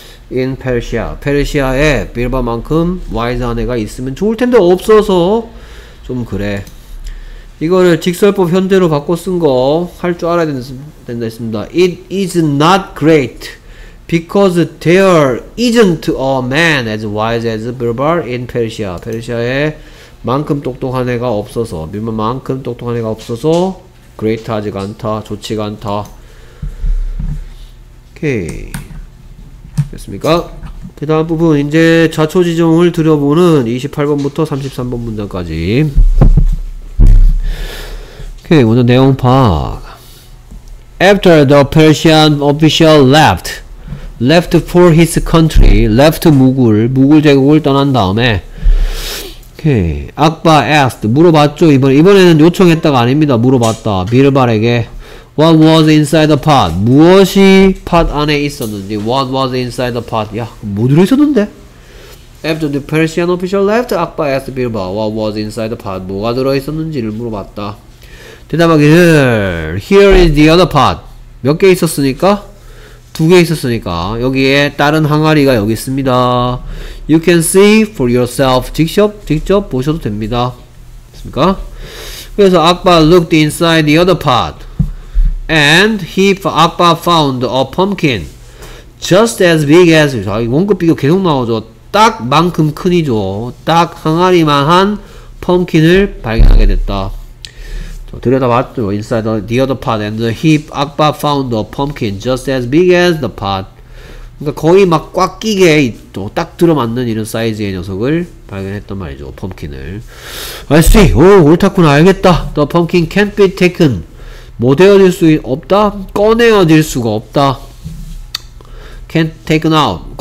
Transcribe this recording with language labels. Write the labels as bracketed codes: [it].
[ko] in 페르시아. 페르시아에 빌바만큼 와이즈 한 애가 있으면 좋을 텐데 없어서 좀 그래. 이거를 직설법 현재로 바꿔 쓴 거 할 줄 알아야 된다 했습니다. [en] It is not great because there isn't a man as wise as Birbal in Persia. [ko] 페르시아에 만큼 똑똑한 애가 없어서, 빌바만큼 똑똑한 애가 없어서 great 하지가 않다, 좋지가 않다. 오케이. 됐습니까? 그 다음 부분, 이제 자초지종을 들여보는 28번부터 33번 문장까지. 오케이, 먼저 내용 파. [en] After the Persian official left for his country, [ko] left 무굴, 무굴 제국을 떠난 다음에, 오케이, 악바 asked, 물어봤죠, 이번에는 요청했다가 아닙니다. 물어봤다. 빌발에게. [en] What was inside the pot? [ko] 무엇이 pot 안에 있었는지. [en] What was inside the pot? [ko] 야, 뭐 들어있었는데? [en] After the Persian official left, Akbar asked Birbal what was inside the pot? [ko] 뭐가 들어있었는지를 물어봤다. 대답하기를 [en] Here is the other pot. [ko] 몇 개 있었습니까? 두 개 있었으니까 여기에 다른 항아리가 여기 있습니다. [en] You can see for yourself. [ko] 직접 보셔도 됩니다. 됐습니까? [en] 그래서 Akbar looked inside the other pot. And Akba found a pumpkin just as big as. [ko] 아, 원급 비교 계속 나오죠. 딱 만큼 큰이죠. 딱 항아리만한 펌킨을 발견하게 됐다. 들여다봤죠. [en] Inside the other pot. And Akba found a pumpkin just as big as the pot. [ko] 그러니까 거의 막 꽉 끼게 또 딱 들어맞는 이런 사이즈의 녀석을 발견했단 말이죠. 펌킨을. [en] I see. [ko] 오, 옳다구나. 알겠다. [en] The pumpkin can't be taken. [ko] 못 헤어질 수 없다? 꺼내어질 수가 없다. [en] Can't take out.